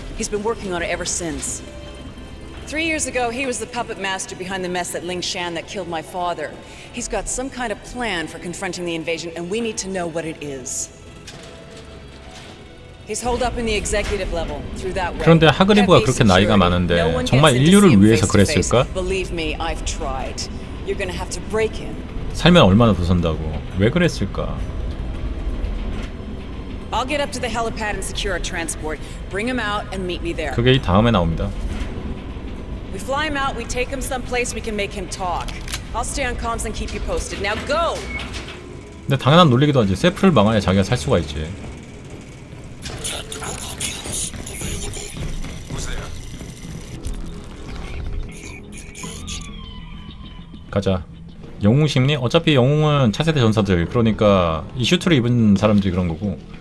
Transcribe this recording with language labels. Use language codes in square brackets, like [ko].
[en] He's been working on it ever since. 3 years ago, he was the puppet master behind the mess at Ling Shan that killed my father. He's got some kind of plan for confronting the invasion, and we need to know what it is. He's holed up in the executive level through that way. [ko] 그런데 하그리브가 그렇게 나이가 많은데 정말 인류를 위해서 그랬을까? [en] Believe me, I've tried. You're gonna have to break him. [ko] 살면 얼마나 더 산다고? 왜 그랬을까? [en] I'll get up to the helipad and secure a transport. Bring him out and meet me there. [ko] 그게 이 다음에 나옵니다. [en] We fly him out. We take him someplace we can make him talk. I'll stay on comms and keep you posted. Now go. [ko] 근데 당연한 논리기도 하지. 세프를 망하야 자기가 살 수가 있지. [en] Who's there? [ko] 가자. 영웅 심리? 어차피 영웅은 차세대 전사들. 그러니까 이 슈트를 입은 사람들이 그런 거고.